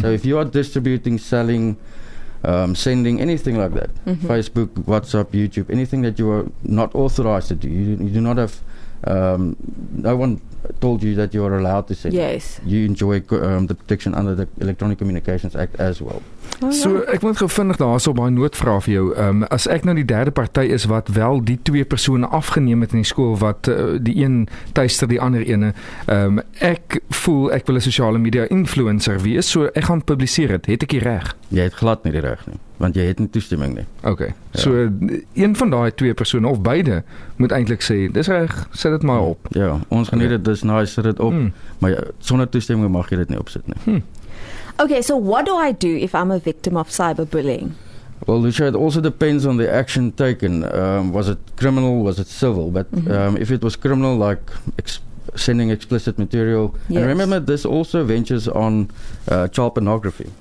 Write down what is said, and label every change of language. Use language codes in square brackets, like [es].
[en] So if you are distributing, selling, sending anything like that, mm-hmm. Facebook, WhatsApp, YouTube, anything that you are not authorized to do, you do not have, no one told you that you are allowed to send. Yes. You enjoy the protection under the Electronic Communications Act as well. Oh, ja. [af] So, ek moet gou vinnig daar so baie noodvra vir jou. As ek nou die derde party is wat wel die twee persone afgeneem het in die skool wat die een tuister die ander ene, ek voel ek wil 'n sosiale media influencer wees, so ek gaan publiseer dit. Het ek die reg? Jy het glad nie die reg nie, want jy het nie toestemming nie. Okay. Ja. So een van daai twee persone of beide moet eintlik sê, dis reg, sit dit maar op. Ja, ons geniet dit, dis nice, sit dit op, maar sonder toestemming mag jy dit nie opsit nie. [en] Okay, so what do I do if I'm a victim of cyberbullying? Well, Lucia, it also depends on the action taken. Was it criminal? Was it civil? But mm-hmm. If it was criminal, like sending explicit material. Yes. And remember, this also ventures on child pornography.